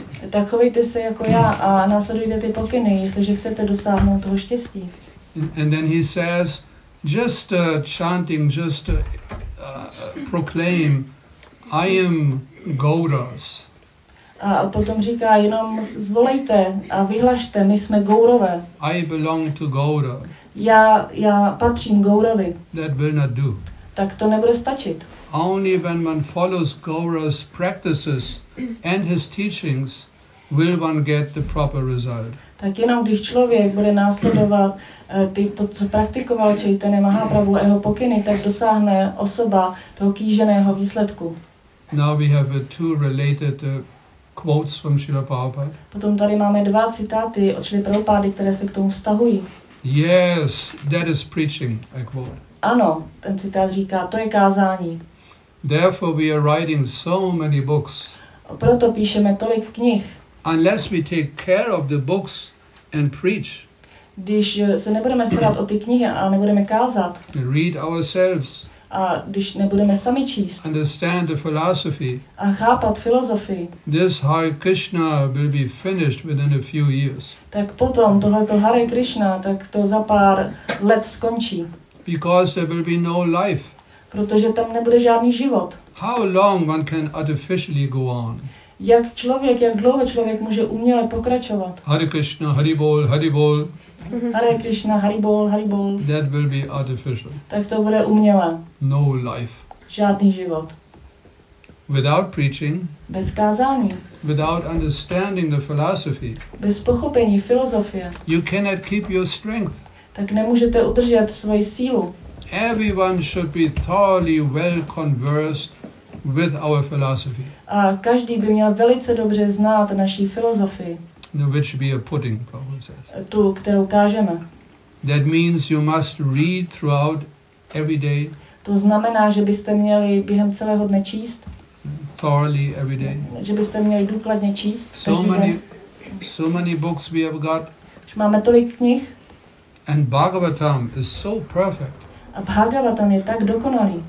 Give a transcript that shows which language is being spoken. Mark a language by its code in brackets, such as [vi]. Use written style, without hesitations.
[cs] Tak chovejte se jako já a následujte ty pokyny, jestliže chcete dosáhnout toho štěstí. [en] And then he says, just chanting, just proclaim, I am Gauras. [cs] A potom říká, jenom zvolejte a vyhlašte, my jsme Gaurové. [en] I belong to Gaura. [cs] Já patřím Gaurovi. [en] That will not do. [cs] Tak to nebude stačit. [en] Only when one follows Gaura's practices and his teachings, will one get the proper result. [cs] Tak jenom když člověk bude následovat to, co praktikoval Chaitanya Mahaprabhu jeho pokyny, tak dosáhne osoba toho kýženého výsledku. [en] Now we have two related quotes from Srila Prabhupada. [cs] Potom tady máme dva citáty od Srila Prabhupády, které se k tomu vztahují. [en] Yes, that is preaching, I quote. [cs] Ano, ten citát říká, to je kázání. [en] Therefore we are writing so many books. [cs] Proto píšeme tolik knih. [en] Unless we take care of the books and preach. [cs] Když se nebudeme starat o ty knihy a nebudeme kázat. [en] Read ourselves. [cs] A když nebudeme sami číst. [en] Understand the philosophy. [cs] A chápat filozofii. [en] This Hare Krishna will be finished within a few years. [cs] Tak potom tohleto Hare Krishna, tak to za pár let skončí. [en] Because there will be no life. [cs] Protože tam nebude žádný život. [en] How long one can artificially go on? [cs] Jak člověk, jak dlouho člověk může uměle pokračovat? [en] Hare Krishna, Hari Bol, Hari Bol. [cs] Hare Krishna, Hari Bol, Hari Bol. [en] That will be artificial. [cs] Tak to bude umělé. [en] No life. [cs] Žádný život. [en] Without preaching. [cs] Bez kázání. [en] Without understanding the philosophy. [cs] Bez pochopení filozofie. [en] You cannot keep your strength. [cs] Tak nemůžete udržet svoji sílu. [en] Everyone should be thoroughly well conversed with our philosophy. [cs] A každý by měl velice dobře znát naší filozofii. [en] No, which we are putting, Prabhupada says. [cs] Tu, kterou kážeme. [en] That means you must read throughout every day. [cs] To znamená, že byste měli během celého dne číst. [en] Thoroughly every day. [cs] Že byste měli důkladně číst. [en] So many books we have got. [cs] Že máme tolik knih. [en] And Bhagavatam is so perfect. [cs] A Bhagavatam je tak dokonalý.